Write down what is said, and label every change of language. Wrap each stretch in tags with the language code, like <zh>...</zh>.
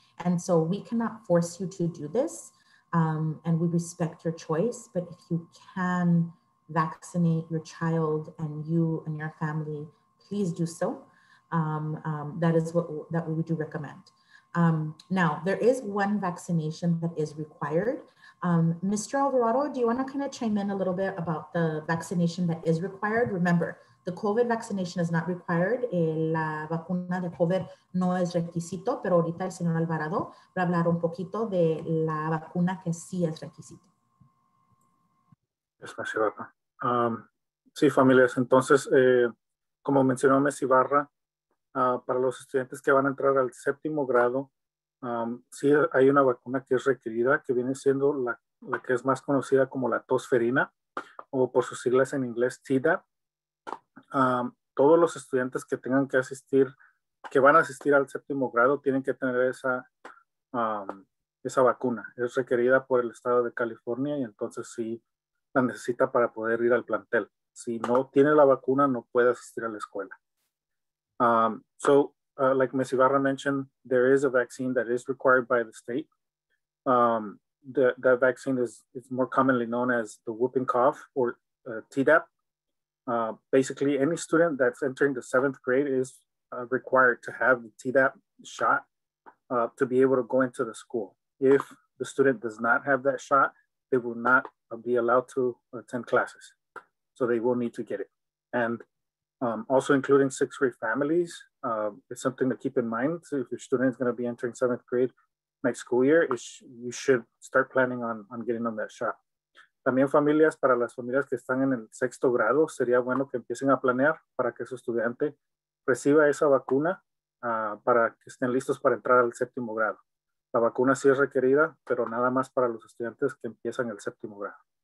<en>And so we cannot force you to do this. And we respect your choice, but if you can vaccinate your child and you and your family, please do so. That is what that we do recommend. Now, there is one vaccination that is required. Mr. Alvarado, do you want to kind of chime in a little bit about the vaccination that is required? Remember, the COVID vaccination is not required.</en> <es>La vacuna de COVID no es requisito, pero ahorita el señor Alvarado va a hablar un poquito de la vacuna que sí es requisito. Gracias, Ibarra. Sí, familias. Entonces, como mencionó Ms. Ibarra, para los estudiantes que van a entrar al séptimo grado, sí hay una vacuna que es requerida, que viene siendo la que es más conocida como la tosferina, o por sus siglas en inglés, Tdap. Todos los estudiantes que tengan que asistir, que van a asistir al séptimo grado, tienen que tener esa vacuna. Es requerida por el estado de California y entonces sí la necesita para poder ir al plantel. Si no tiene la vacuna, no puede asistir a la escuela.</es> <en>Like Ms. Ibarra mentioned, there is a vaccine that is required by the state. That vaccine is more commonly known as the whooping cough or Tdap. Basically, any student that's entering the seventh grade is required to have the Tdap shot to be able to go into the school. If the student does not have that shot, they will not be allowed to attend classes. So they will need to get it. And also including sixth grade families, it's something to keep in mind. So if your student is going to be entering seventh grade next school year, you should start planning on getting them that shot.</en> <es>También familias, para las familias que están en el sexto grado, sería bueno que empiecen a planear para que su estudiante reciba esa vacuna para que estén listos para entrar al séptimo grado. La vacuna sí es requerida, pero nada más para los estudiantes que empiezan el séptimo grado.</es>